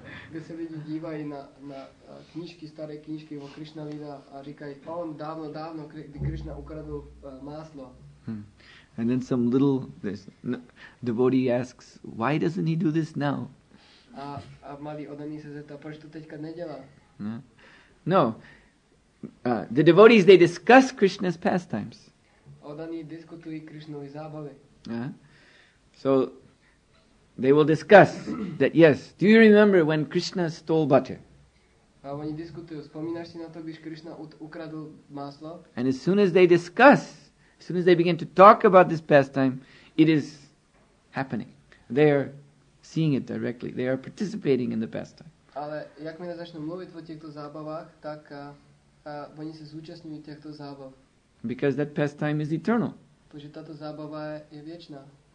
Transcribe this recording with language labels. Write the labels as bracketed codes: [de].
[cs] Kde se lidi dívají na knížky, staré knížky o Krishna Lila a říkají, on dávno, dávno, kdy Krishna ukradl máslo. [en] And then some little devotee asks, why doesn't he do this now? [cs] A malý odaný se zeptá, proč to teďka nedělá? [en] No, the devotees, they discuss Krishna's pastimes. [cs] Odaní diskutují Krishnovy zábavy. [en] So they will discuss that, yes, do you remember when Krishna stole butter? [cs] A oni diskutují, vzpomínáš si na to, když Krishna ukradl máslo? [en] And as soon as they discuss, as soon as they begin to talk about this pastime, it is happening. They are seeing it directly. They are participating in the pastime. [cs] Ale jakmile začnou mluvit o těchto zábavách, tak oni se zúčastňují těchto zábav. [en] Because that pastime is eternal. [cs] Protože tato zábava je věčná.